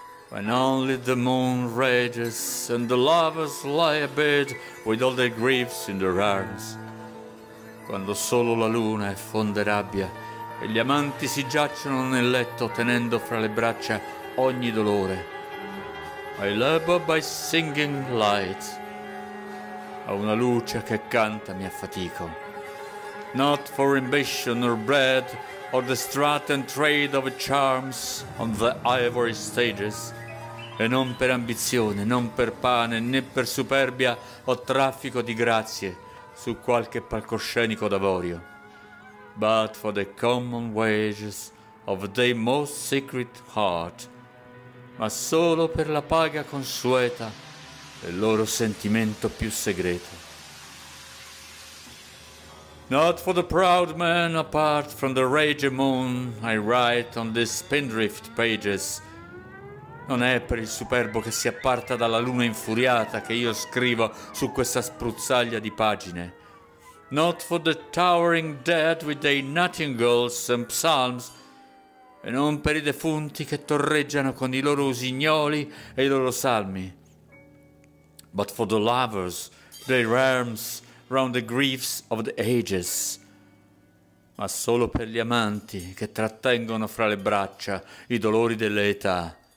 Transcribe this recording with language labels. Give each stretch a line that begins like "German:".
English: When only the moon rages and the lovers lie abed with all their griefs in their arms.
Italian: Quando solo la luna è fonda rabbia e gli amanti si giacciono nel letto tenendo fra le braccia ogni dolore.
English: I labor by singing light.
Italian: A una luce che canta mi affatico.
English: Not for ambition or bread or the strut and trade of charms on the ivory stages.
Italian: E non per ambizione, non per pane, né per superbia o traffico di grazie su qualche palcoscenico d'avorio,
English: but for the common wages of the most secret heart,
Italian: ma solo per la paga consueta del loro sentimento più segreto.
English: Not for the proud man apart from the raging moon I write on the spindrift pages.
Italian: Non è per il superbo che si apparta dalla luna infuriata che io scrivo su questa spruzzaglia di pagine.
English: Not for the towering dead with their nightingales and psalms.
Italian: E non per i defunti che torreggiano con i loro usignoli e i loro salmi.
English: But for the lovers, their arms round the griefs of the ages.
Italian: Ma solo per gli amanti che trattengono fra le braccia i dolori delle età.